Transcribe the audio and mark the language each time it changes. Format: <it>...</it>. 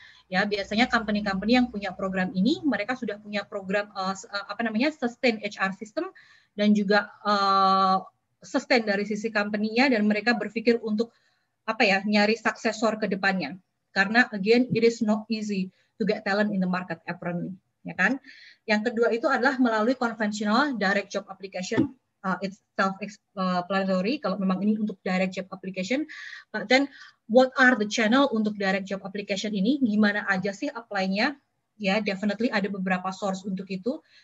<id>Ya, biasanya company-company yang punya program ini, mereka sudah punya program sustain HR system dan juga sustain dari sisi company-nya, dan mereka berpikir untuk nyari successor ke depannya. Karena</id> <en>again, it is not easy to get talent in the market apparently,</en> <id>ya kan? Yang kedua itu adalah melalui conventional direct job application.</id> <en>It's self-explanatory</en> <id>kalau memang ini untuk</id> <en>direct job application. But then, what are the channel</en> <id>untuk</id> <en>direct job application</en> <id>ini? Gimana aja sih apply-nya? Ya, definitely ada beberapa source untuk itu.</id>